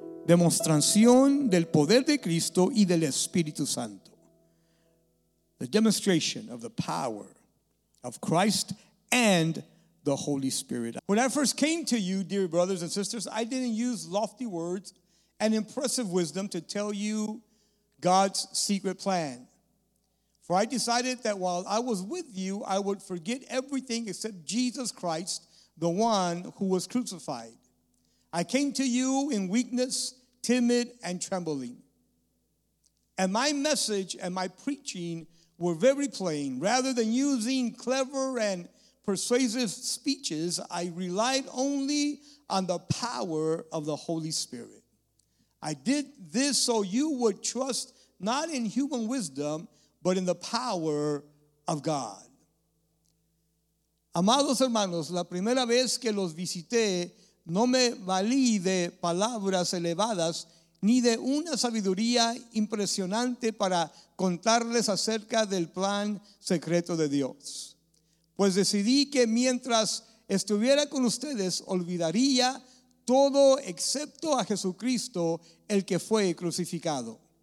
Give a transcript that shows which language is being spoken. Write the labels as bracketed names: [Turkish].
[Spanish] demostración del poder de Cristo y del Espíritu Santo. [English] The demonstration of the power of Christ and the Holy Spirit. When I first came to you, dear brothers and sisters, I didn't use lofty words and impressive wisdom to tell you God's secret plan. For I decided that while I was with you, I would forget everything except Jesus Christ, the one who was crucified. I came to you in weakness, timid, and trembling. And my message and my preaching were very plain. Rather than using clever and persuasive speeches, I relied only on the power of the Holy Spirit. I did this so you would trust not in human wisdom, but in the power of God. [Spanish] Amados hermanos, la primera vez que los visité, no me valí de palabras elevadas ni de una sabiduría impresionante para contarles acerca del plan secreto de Dios. Pues decidí que mientras estuviera con ustedes, olvidaría todo excepto a Jesucristo, el que fue crucificado.